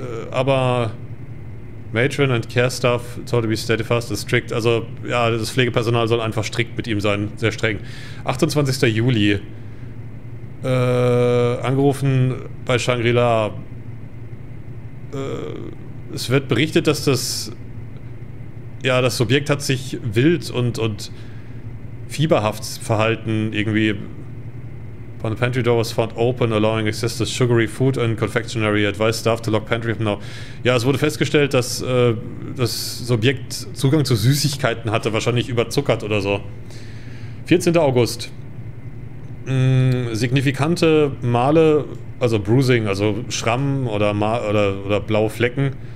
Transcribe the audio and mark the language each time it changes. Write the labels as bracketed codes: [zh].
[en] Aber Matron and Care Staff told to be steadfast and strict. [de] Also, ja, das Pflegepersonal soll einfach strikt mit ihm sein. Sehr streng. 28. Juli. Angerufen bei Shangri-La. Es wird berichtet, dass das... Ja, das Subjekt hat sich wild und fieberhaft verhalten, irgendwie. [en] But the pantry door was found open, allowing access to sugary food and confectionery. Advice staff to lock pantry from now. [de] Ja, es wurde festgestellt, dass das Subjekt Zugang zu Süßigkeiten hatte, wahrscheinlich überzuckert oder so. 14. August. Signifikante Male, also Bruising, also Schrammen oder blaue Flecken.